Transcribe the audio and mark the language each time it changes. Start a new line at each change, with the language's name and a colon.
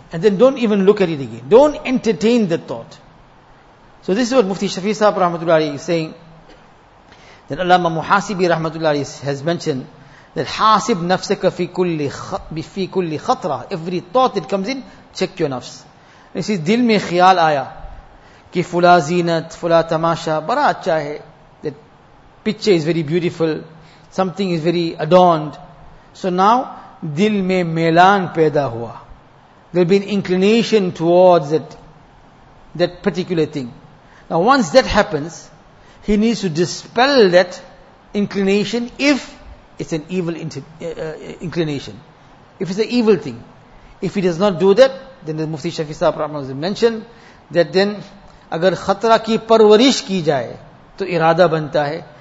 English: And then don't even look at it again. Don't entertain the thought. So this is what Mufti Shafi Sahib rahmatullahi is saying. Then Allama Muhasibi rahmatullahi has mentioned that
Arabic: حاسب نفسك في كل خطرة.
English: Every thought that comes in, check your nafs. He says,
Urdu: دل میں خیال آیا کہ فلا زینت فلا تماشا. بڑا اچھا ہے.
English: That picture is very beautiful. Something is very adorned. So now,
Urdu: دل میں میلان پیدا ہوا.
English: There will be an inclination towards that particular thing. Now once that happens, he needs to dispel that inclination if it's an evil inclination. If it's an evil thing. If he does not do that, then the Mufti Shafi Sahib Rahman has mentioned that then,
Urdu: agar khatra ki parvarish ki jaye, to irada banta hai.